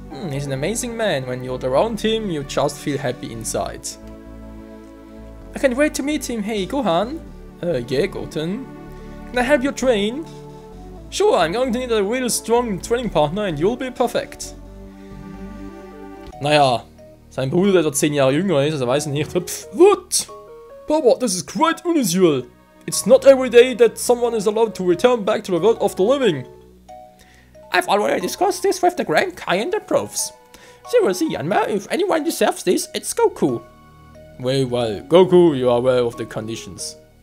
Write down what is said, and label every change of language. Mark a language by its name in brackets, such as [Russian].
[English] He's an amazing man. When you're around him, you just feel happy inside. I can't wait to meet him. Hey, Gohan. Yeah, Goten. Can I help you train? Sure, I'm going to need a real strong training partner and you'll be perfect. [German] Naja, sein Bruder, der etwa 10 Jahre jünger ist, also weiß nicht. Pfff, [English] what? Papa, this is quite unusual. It's not every day that someone is allowed to return back to the world of the living. I've already discussed this with the Grand Kai and the Profs. Seriously, Yanma, if anyone deserves this, it's Goku. Very well, Goku, you are aware of the conditions.